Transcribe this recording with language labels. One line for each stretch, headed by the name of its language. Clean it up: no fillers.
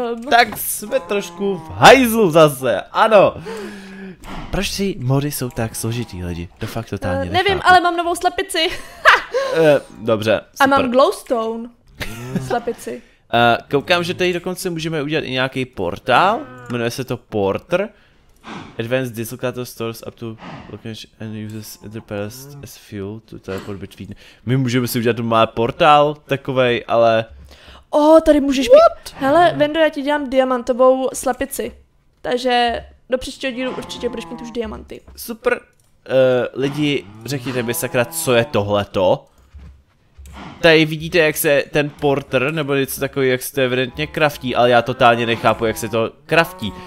Czech: Tak jsme trošku v hajzlu zase, ano. Proč ty mody jsou tak složitý, lidi? To fakt totálně nechápu. Nevím, ale mám novou slepici. Dobře, super. A mám glowstone. Slepici. Koukám, že tady dokonce můžeme udělat i nějaký portál, jmenuje se to Porter.
English: Advanced dislocator stores up to location and uses the past as fuel to teleport between.
Czech: My můžeme si udělat malý portál takovej, ale... tady můžeš mít... Hele, Vendo, já ti dělám diamantovou slepici. Takže do příštího dílu určitě budeš mít už diamanty. Super. Lidi, řekněte mi sakra, co je tohleto? Tady vidíte, jak se ten porter, nebo něco takový, jak se to evidentně kraftí, ale já totálně nechápu, jak se to kraftí.